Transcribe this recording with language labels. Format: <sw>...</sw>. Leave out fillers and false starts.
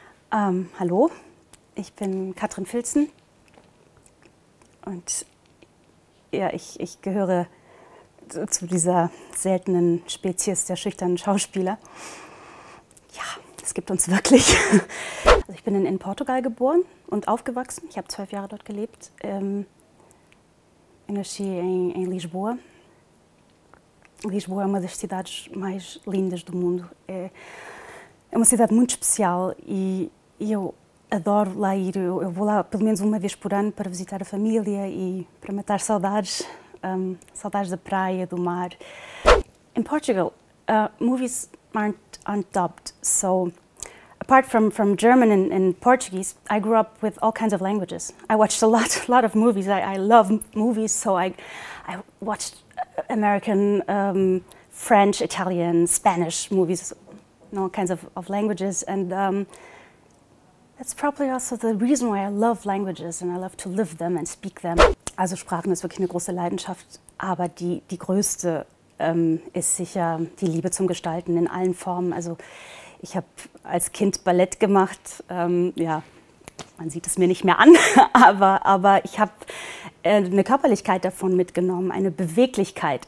<de>Hallo, ich bin Katrin Filzen und ja, ich gehöre zu dieser seltenen Spezies der schüchternen Schauspieler. Ja, es gibt uns wirklich. Also ich bin in Portugal geboren und aufgewachsen. Ich habe 12 Jahre dort gelebt, in der in Lisboa.</de> <pt>Lisboa é uma das cidades mais lindas do mundo. É uma cidade muito especial e eu adoro lá ir. Eu vou lá pelo menos uma vez por ano para visitar a família e para matar saudades, saudades da praia, do mar.</pt> <en>In Portugal, movies aren't dubbed. So, apart from German and Portuguese, I grew up with all kinds of languages. I watched a lot of movies. I love movies, so I watched American, French, Italian, Spanish movies, and all kinds of languages. And that's probably also the reason why I love languages and I love to live them and speak them.</en> <de>Also Sprachen ist wirklich eine große Leidenschaft, aber die größte ist sicher die Liebe zum Gestalten in allen Formen. Also ich habe als Kind Ballett gemacht, ja, man sieht es mir nicht mehr an, aber ich habe eine Körperlichkeit davon mitgenommen, eine Beweglichkeit.</de>